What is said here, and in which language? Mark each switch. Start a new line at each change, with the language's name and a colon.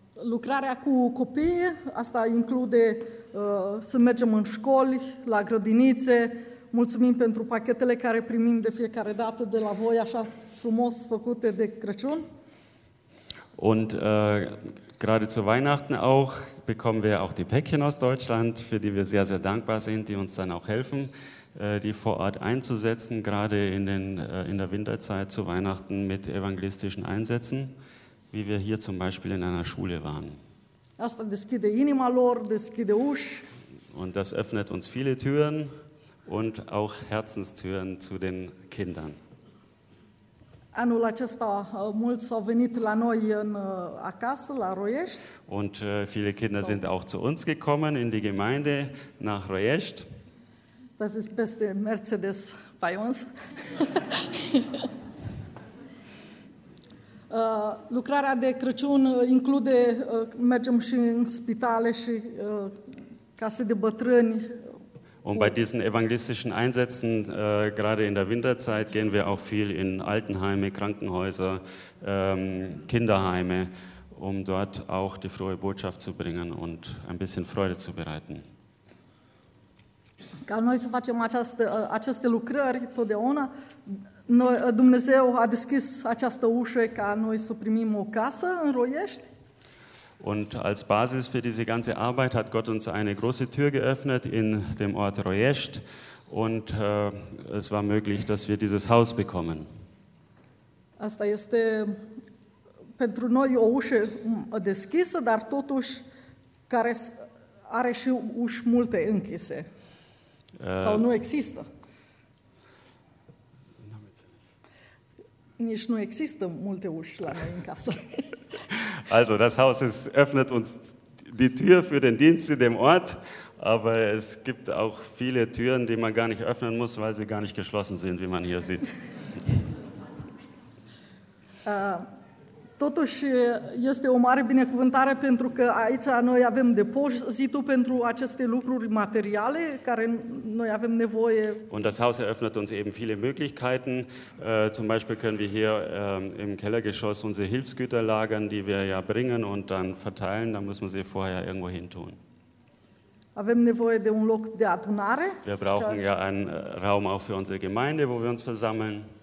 Romanian: Lucrarea cu copii, asta include să mergem în școli, la grădinițe. Mulțumim pentru pachetele care primim de fiecare dată de la voi, așa frumos făcute de Crăciun.
German: Und gerade zu Weihnachten auch bekommen wir auch die Päckchen aus Deutschland, für die wir sehr, sehr dankbar sind, die uns dann auch helfen, die vor Ort einzusetzen, gerade in der Winterzeit zu Weihnachten mit evangelistischen Einsätzen, wie wir hier zum Beispiel in einer Schule waren.
Romanian: Asta deschide inima lor, deschide uși.
German: Und das öffnet uns viele Türen. Und auch Herzenstüren zu den Kindern.
Romanian: Anul acesta mulți au venit la noi în acasă, la Roiești.
German: Und viele Kinder sind auch zu uns gekommen in die Gemeinde nach Roiești. Das ist beste Mercedes bei uns.
Romanian: Lucrarea de Crăciun include mergem și în spitale și case de bătrâni.
German: Und bei diesen evangelistischen Einsätzen, gerade in der Winterzeit, gehen wir auch viel in Altenheime, Krankenhäuser, Kinderheime, um dort auch die frohe Botschaft zu bringen und ein bisschen Freude zu bereiten.
Romanian: Ca noi să facem aceste lucrări totdeauna, Dumnezeu a deschis această ușă ca noi să primim o casă în Roiești.
German: Und als Basis für diese ganze Arbeit hat Gott uns eine große Tür geöffnet in dem Ort Roiești und es war möglich, dass wir dieses Haus bekommen.
Romanian: Asta este pentru noi o ușă deschisă, dar totuși care are și uși multe închise. Sau nu există. Nici nu există multe uși la noi în casă.
German: Also, das Haus öffnet uns die Tür für den Dienst in dem Ort, aber es gibt auch viele Türen, die man gar nicht öffnen muss, weil sie gar nicht geschlossen sind, wie man hier sieht.
Romanian: Totuși este o mare binecuvântare pentru că aici noi avem depozitul pentru aceste lucruri materiale care noi avem nevoie.
German: Und das Haus eröffnet uns eben viele Möglichkeiten. Zum Beispiel können wir hier im Kellergeschoss unsere Hilfsgüter lagern, die wir ja bringen und dann verteilen. Da muss man sie vorher irgendwo hin tun.
Romanian: Avem nevoie de un loc de adunare.
German: Wir brauchen ja einen Raum auch für unsere Gemeinde, wo wir uns versammeln.